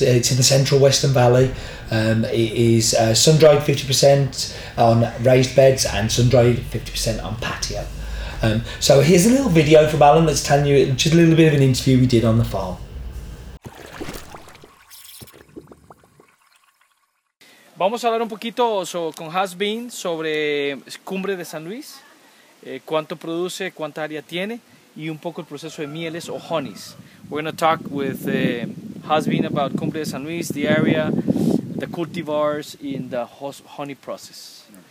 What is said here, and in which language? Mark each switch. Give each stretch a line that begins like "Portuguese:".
English: It's in the central western valley. It is sun-dried 50% on raised beds and sun-dried 50% on patio. So here's a little video from Alan that's telling you just a little bit of an interview we did on the farm.
Spanish: Vamos a hablar un poquito con Has Bean sobre Cumbre de San Luis. Cuánto produce, cuánta área tiene, y un poco el proceso de mieles o honeys.
English: We're going to talk with Has Bean about Cumbre de San Luis, the area, the cultivars in the honey process.